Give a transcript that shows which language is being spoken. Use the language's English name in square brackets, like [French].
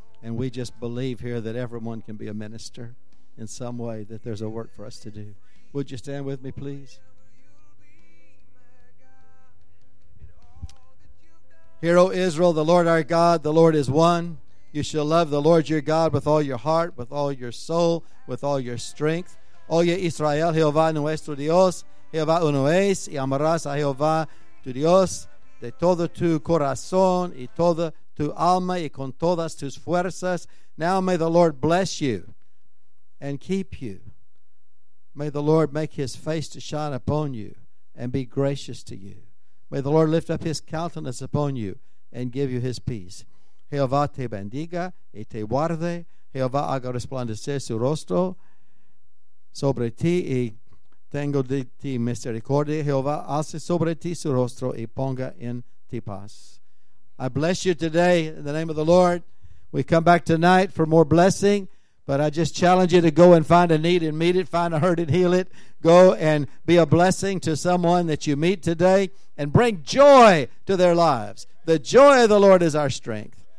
[English] And we just believe here that everyone can be a minister in some way, that there's a work for us to do. Would you stand with me, please? Hear, O Israel, the Lord our God, the Lord is one. You shall love the Lord your God with all your heart, with all your soul, with all your strength. [Spanish] Oye, Israel, Jehová nuestro Dios, Jehová uno es, y amarás a Jehová tu Dios de todo tu corazón y toda tu alma y con todas tus fuerzas. [English] Now may the Lord bless you and keep you. May the Lord make his face to shine upon you and be gracious to you. May the Lord lift up his countenance upon you and give you his peace. [Spanish] Jehová te bendiga y te guarde. Jehová haga resplandecer su rostro sobre ti y tengo de ti misericordia. Jehová hace sobre ti su rostro y ponga en ti paz. [English] I bless you today in the name of the Lord. We come back tonight for more blessing, but I just challenge you to go and find a need and meet it, find a hurt and heal it. Go and be a blessing to someone that you meet today and bring joy to their lives. The joy of the Lord is our strength.